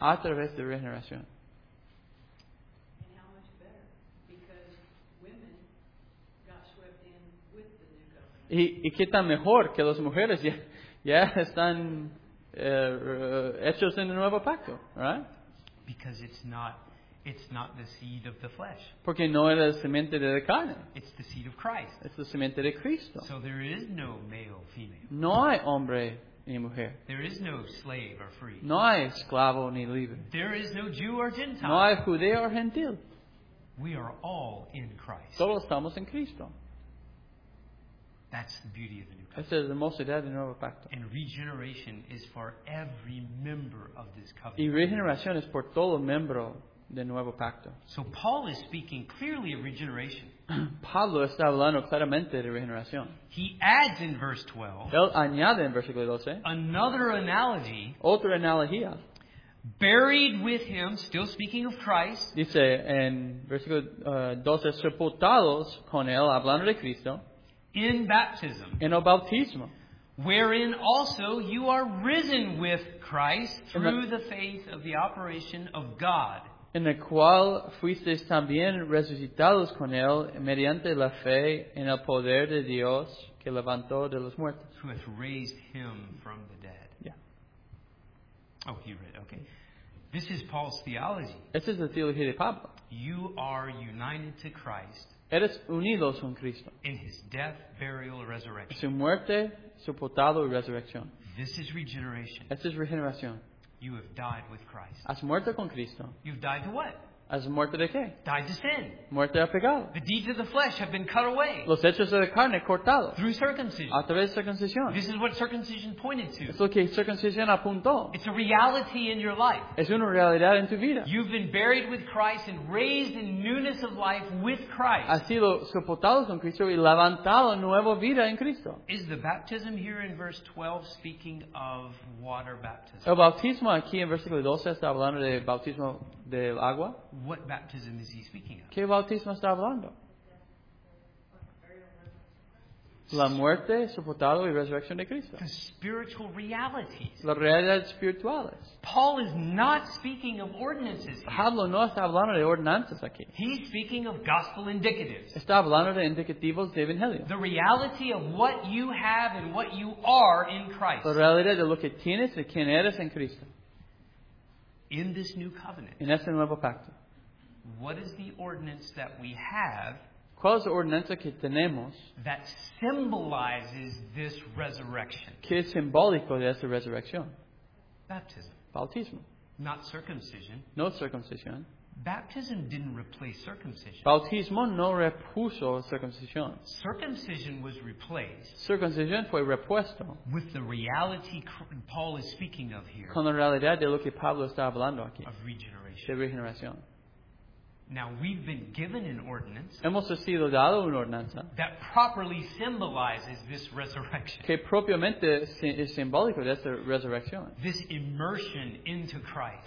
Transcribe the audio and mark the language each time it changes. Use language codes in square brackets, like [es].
[es] A través de regeneración. Y qué tan mejor que las mujeres ya están hechos en el nuevo pacto, [en] right? Because it's not the seed of the flesh. [es] Porque no era la semente de la carne. [en] It's the seed of Christ. [es] Es la semente de Cristo. [en] So there is no male, female. [es] No hay hombre ni mujer. [en] There is no slave or free. [es] No hay esclavo ni libre. [en] There is no Jew or Gentile. [es] No hay judío or gentil. [en] We are all in Christ. [es] Todos estamos en Cristo. [en] That's the beauty of the new covenant. [es] Esa es la hermosidad del nuevo pacto. [en] And regeneration is for every member of this covenant. [es] Y regeneración es por todo miembro del nuevo pacto. [en] So Paul is speaking clearly of regeneration. [es] Pablo está hablando claramente de regeneración. [en] He adds in verse 12. [es] Él añade en versículo 12. [en] Another analogy. [es] Otra analogía. [en] Buried with him, still speaking of Christ. [es] Dice en versículo 12, sepultados con él, hablando de Cristo. [en] In baptism, [es] en el bautismo, [en] wherein also you are risen with Christ through the faith of the operation of God. [es] En el cual fuisteis también resucitados con él mediante la fe en el poder de Dios que levantó de los muertos. [en] Who has raised him from the dead? Yeah. Oh, he read. Okay. This is Paul's theology. [es] Esta es la teología de Pablo. [en] You are united to Christ. [es] Eres unidos con Cristo. [en] In his death, burial, resurrection. [es] Su muerte, sepultado y resurrección. [en] This is regeneration. [es] Esta es regeneración. [en] You have died with Christ. [es] Has muerto con Cristo. [en] You've died to what? [es] Has muerto de qué? [en] Died to sin. [es] Muerte a pecado. [en] The deeds of the flesh have been cut away. [es] Los hechos de la carne cortados. [en] Through circumcision. [es] A través de circuncisión. [en] This is what circumcision pointed to. [es] Es lo que circuncisión apuntó. [en] It's a reality in your life. [es] Es una realidad en tu vida. [en] You've been buried with Christ and raised in newness of life with Christ. [es] Has sido sepultado con Cristo y levantado en nueva vida en Cristo. [en] Is the baptism here in verse 12 speaking of water baptism? [es] El bautismo aquí en versículo 12 está hablando de bautismo del agua. [en] What baptism is he speaking of? [es] ¿Qué bautismo está hablando? La muerte, sepultado y resurrección de Cristo. [en] The spiritual realities. [es] Las realidades espirituales. [en] Paul is not speaking of ordinances. [es] Pablo no está hablando de ordenanzas aquí. [en] He's speaking of gospel indicatives. [es] Está hablando de indicativos de evangelio. [en] The reality of what you have and what you are in Christ. [es] La realidad de lo que tienes y quién eres en Cristo. [en] In this new covenant. [es] En este nuevo pacto. [en] What is the ordinance that we have? [es] ¿Cuál es la ordenanza que tenemos? [en] That symbolizes this resurrection. [es] ¿Qué es simbólico de esta resurrección? [en] Baptism. [es] Bautismo. [en] Not circumcision. [es] No circuncisión. [en] Baptism didn't replace circumcision. [es] Bautismo no repuso circuncisión. [en] Circumcision was replaced. [es] Circuncisión fue repuesto. [en] With the reality Paul is speaking of here. [es] Con la realidad de lo que Pablo está hablando aquí. [en] Of regeneration. [es] De regeneración. [en] Now we've been given an ordinance. [es] Hemos sido dado una ordenanza. [en] That properly symbolizes this resurrection. [es] Que propiamente es simbólico de esta resurrección. [en] This immersion into Christ.